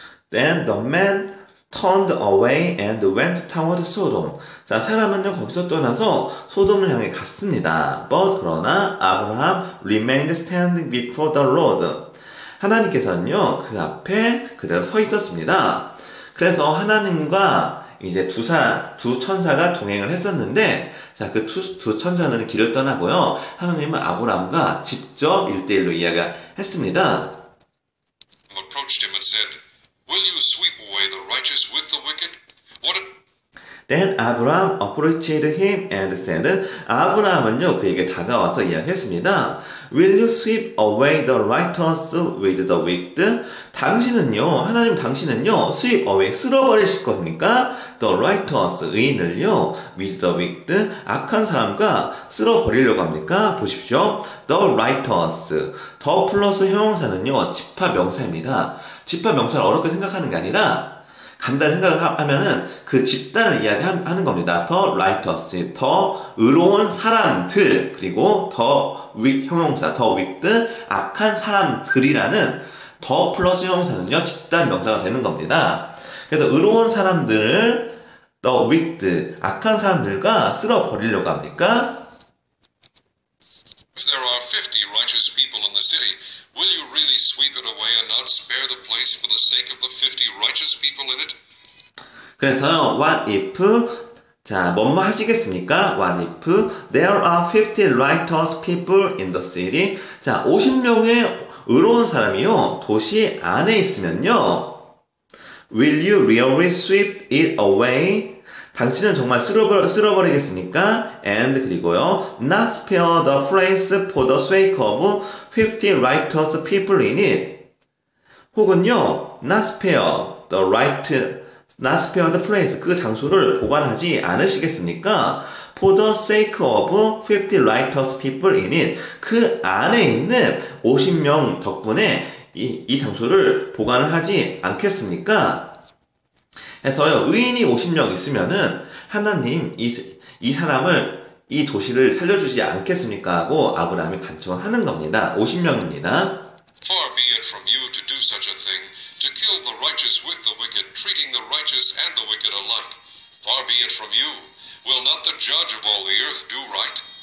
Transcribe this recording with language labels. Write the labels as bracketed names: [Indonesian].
[English] Then the men turned away and went toward Sodom. [Korean] 자, 사람은요 거기서 떠나서 소돔을 향해 갔습니다. [English] But [Korean] 그러나 [English] Abraham remained standing before the Lord. [Korean] 하나님께서는요 그 앞에 그대로 서 있었습니다. 그래서 하나님과 이제 두 천사가 동행을 했었는데, 자, 그 두 천사는 길을 떠나고요. 하나님은 아브라함과 직접 1대1로 이야기를 했습니다. [English] Approached him and said, Will you sweep away the righteous with the wicked? Then Abraham approached him and said, [Korean] 아브라함은요 그에게 다가와서 이야기했습니다. [English] Will you sweep away the righteous with the wicked? [Korean] 당신은요 [English] sweep away [Korean] 쓸어버리실 겁니까? [English] The righteous [Korean] 의인을요 [English] with the wicked [Korean] 악한 사람과 쓸어버리려고 합니까? 보십시오. [English] The righteous. [Korean] The 플러스 형용사는요 집합 명사입니다. 집합 명사를 어렵게 생각하는 게 아니라 간단히 생각하면은 그 집단을 이야기하는 겁니다. [English] The righteous, [Korean] 더 의로운 사람들, 그리고 더 weak 형용사, 더 wicked 악한 사람들이라는 더 플러스 형용사는요 집단 명사가 되는 겁니다. 그래서 의로운 사람들을 [English] 더 wicked [Korean] 악한 사람들과 쓸어버리려고 합니까? [English] If there are 50 righteous people in the city, will you really sweep it away and not spare the place for the sake of the 50 righteous people in it? [Korean] 그래서요, [English] what if, [Korean] 자, 뭐뭐 하시겠습니까? [English] What if there are 50 righteous people in the city? [Korean] 자, 50명의 의로운 사람이요, 도시 안에 있으면요. [English] Will you really sweep it away? [Korean] 당신은 정말 쓸어버리겠습니까? [English] And [Korean] 그리고요, [English] not spare the place for the sake of 50 righteous people in it. [Korean] 혹은요, [English] not spare the right, not spare the place, [Korean] 그 장소를 보관하지 않으시겠습니까? [English] For the sake of 50 righteous people in it. [Korean] 그 안에 있는 50명 덕분에 이 장소를 보관을 하지 않겠습니까? 해서요, 의인이 50명 있으면은, 하나님, 이 사람을, 이 도시를 살려주지 않겠습니까? 하고 아브라함이 간청을 하는 겁니다. 50명입니다. [English] Far be it from you to do such a thing, to kill the righteous with the wicked, treating the righteous and the wicked alike. Far be it from you. Will not the judge of all the earth do right?